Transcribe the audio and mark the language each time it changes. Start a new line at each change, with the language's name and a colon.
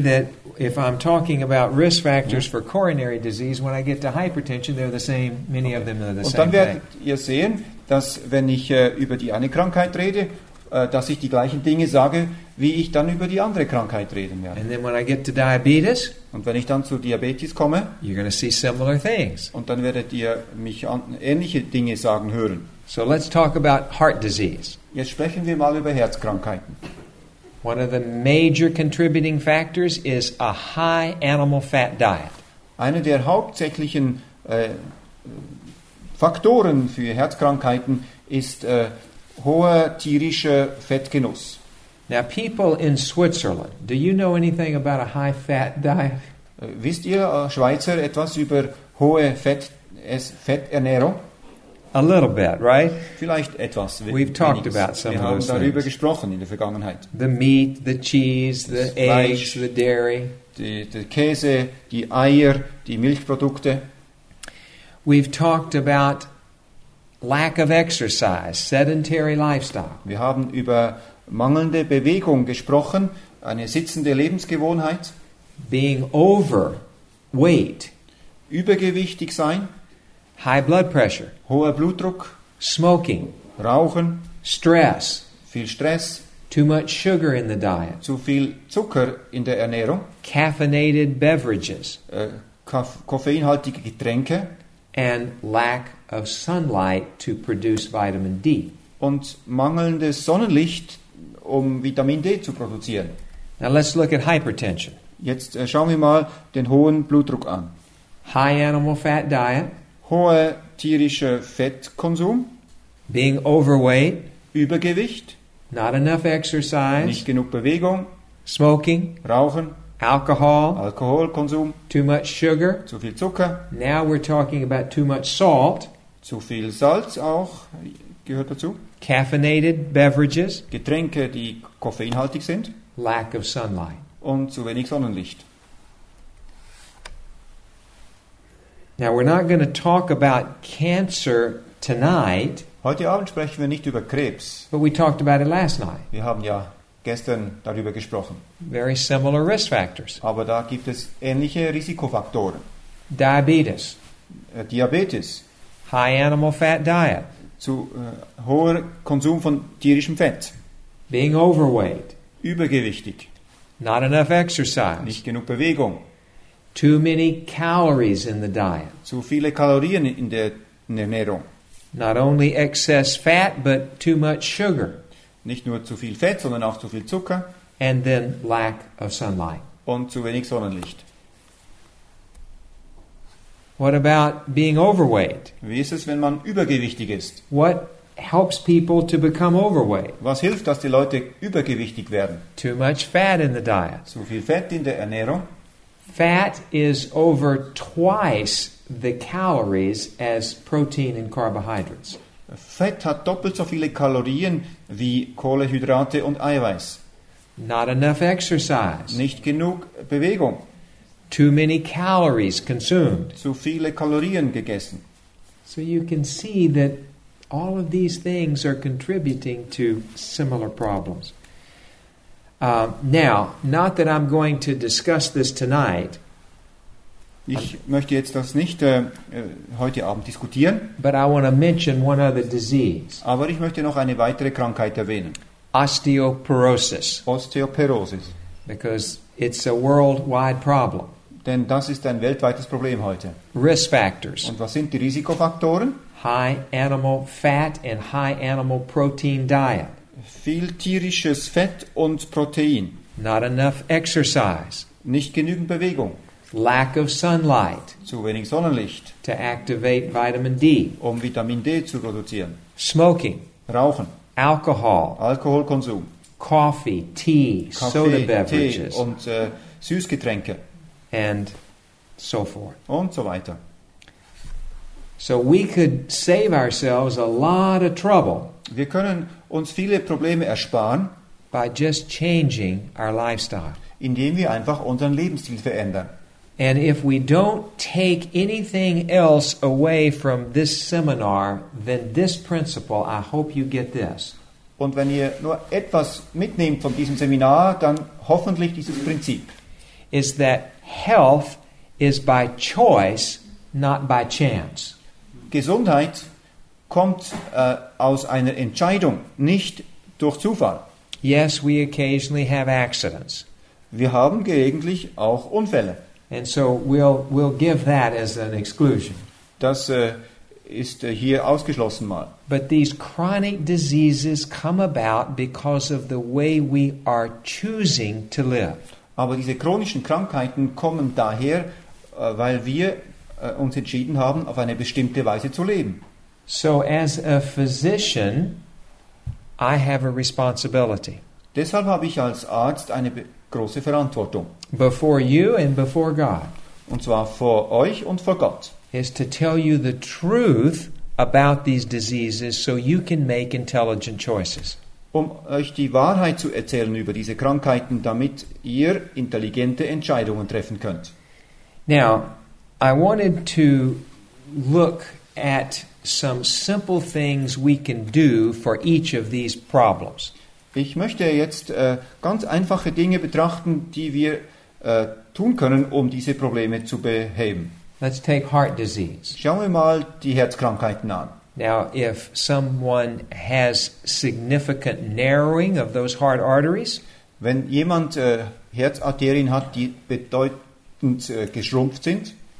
English: that if I'm talking about risk factors for coronary disease, when I get to hypertension, they're the same, many of them are the thing.
German: Und dann werdet ihr sehen, dass wenn ich über die eine Krankheit rede, dass ich die gleichen Dinge sage, wie ich dann über die andere Krankheit reden werde.
English: And then when I get to diabetes,
German: und wenn ich dann zu Diabetes komme,
English: you're going to see similar things.
German: Und dann werdet ihr mich ähnliche Dinge sagen hören.
English: So let's talk about heart disease.
German: Jetzt sprechen wir mal über Herzkrankheiten.
English: One of the major contributing factors is a high animal fat diet.
German: Einer der hauptsächlichen Faktoren für Herzkrankheiten ist hoher tierischer Fettgenuss.
English: Now people in Switzerland, do you know anything about a high fat diet?
German: Wisst ihr Schweizer etwas über hohe Fetternährung?
English: A little bit, right?
German: Vielleicht etwas.
English: We've talked about some of those.
German: Wir haben darüber gesprochen in der Vergangenheit.
English: The meat, the cheese, the eggs, the dairy.
German: Die Käse, die Eier, die Milchprodukte.
English: We've talked about lack of exercise, sedentary lifestyle.
German: Wir haben über mangelnde Bewegung gesprochen, eine sitzende Lebensgewohnheit.
English: Being overweight.
German: Übergewichtig sein.
English: High blood pressure.
German: Hoher Blutdruck.
English: Smoking.
German: Rauchen.
English: Stress.
German: Viel Stress.
English: Too much sugar in the diet.
German: Zu viel Zucker in der Ernährung.
English: Caffeinated beverages.
German: Koffeinhaltige Getränke.
English: And lack of sunlight to produce vitamin D.
German: Und mangelndes Sonnenlicht, um Vitamin D zu produzieren.
English: Now let's look at hypertension.
German: Jetzt schauen wir mal den hohen Blutdruck an.
English: High animal fat diet.
German: Hoher tierischer Fettkonsum.
English: Being overweight.
German: Übergewicht.
English: Not enough exercise.
German: Nicht genug Bewegung.
English: Smoking.
German: Rauchen.
English: Alcohol.
German: Alkoholkonsum.
English: Too much sugar.
German: Zu viel Zucker.
English: Now we're talking about too much salt.
German: Zu viel Salz auch gehört dazu.
English: Caffeinated beverages.
German: Getränke, die koffeinhaltig sind.
English: Lack of sunlight.
German: Und zu wenig Sonnenlicht.
English: Now we're not going to talk about cancer tonight.
German: Heute Abend sprechen wir nicht über Krebs.
English: But we talked about it last night.
German: Wir haben ja gestern darüber gesprochen.
English: Very similar risk factors.
German: Aber da gibt es ähnliche Risikofaktoren.
English: Diabetes.
German: Diabetes.
English: High animal fat diet.
German: Zu hoher Konsum von tierischem Fett.
English: Being overweight.
German: Übergewichtig.
English: Not enough exercise.
German: Nicht genug Bewegung.
English: Too many calories in the diet.
German: Zu viele Kalorien in der Ernährung.
English: Not only excess fat, but too much sugar.
German: Nicht nur zu viel Fett, sondern auch zu viel Zucker.
English: And then lack of sunlight.
German: Und zu wenig Sonnenlicht.
English: What about being overweight?
German: Wie ist es, wenn man übergewichtig ist?
English: What helps people to become overweight?
German: Was hilft, dass die Leute übergewichtig werden?
English: Too much fat in the diet.
German: Zu viel Fett in der Ernährung.
English: Fat is over twice the calories as protein and carbohydrates.
German: Fett hat doppelt so viele Kalorien wie Kohlenhydrate und Eiweiß.
English: Not enough exercise.
German: Nicht genug Bewegung.
English: Too many calories consumed.
German: Zu viele Kalorien gegessen.
English: So you can see that all of these things are contributing to similar problems. Now, not that I'm going to discuss this tonight.
German: Ich möchte jetzt das nicht heute Abend diskutieren.
English: But I want to mention one other disease.
German: Aber ich möchte noch eine weitere Krankheit erwähnen.
English: Osteoporosis.
German: Osteoporosis.
English: Because it's a worldwide problem.
German: Denn das ist ein weltweites Problem heute.
English: Risk factors.
German: Und was sind die Risikofaktoren?
English: High animal fat and high animal protein diet.
German: Viel tierisches Fett und Protein.
English: Not enough exercise.
German: Nicht genügend Bewegung.
English: Lack of sunlight.
German: Zu wenig Sonnenlicht.
English: To activate vitamin D.
German: Um Vitamin D zu produzieren.
English: Smoking.
German: Rauchen.
English: Alcohol.
German: Alkoholkonsum.
English: Coffee, tea,
German: Kaffee,
English: soda beverages.
German: Tee und Süßgetränke.
English: And so forth.
German: Und so weiter.
English: So we could save ourselves a lot of trouble.
German: Wir können uns viele Probleme ersparen.
English: By just changing our lifestyle.
German: Indem wir einfach unseren Lebensstil verändern.
English: And if we don't take anything else away from this seminar, then this principle, I hope you get this.
German: Und wenn ihr nur etwas mitnehmt von diesem Seminar, dann hoffentlich dieses Prinzip.
English: Is that health is by choice, not by chance.
German: Gesundheit kommt aus einer Entscheidung, nicht durch Zufall.
English: Yes, we occasionally have accidents.
German: Wir haben gelegentlich auch Unfälle.
English: And so we'll give that as an exclusion.
German: Das ist hier ausgeschlossen mal.
English: But these chronic diseases come about because of the way we are choosing to live.
German: Aber diese chronischen Krankheiten kommen daher, weil wir uns entschieden haben, auf eine bestimmte Weise zu leben.
English: So as a physician, I have a responsibility.
German: Deshalb habe ich als Arzt eine große Verantwortung.
English: Before you and before God.
German: Und zwar vor euch und vor Gott.
English: Is to tell you the truth about these diseases so you can make intelligent choices.
German: Um euch die Wahrheit zu erzählen über diese Krankheiten, damit ihr intelligente Entscheidungen treffen könnt.
English: Now, I wanted to look at some simple things we can do for each of these problems.
German: Ich möchte jetzt ganz einfache Dinge betrachten, die wir tun können, um diese Probleme zu beheben.
English: Let's take heart disease.
German: Schauen wir mal die Herzkrankheiten an.
English: Now, if someone has significant narrowing of those heart arteries,
German: wenn jemand Herzarterien hat, die bedeutend geschrumpft sind,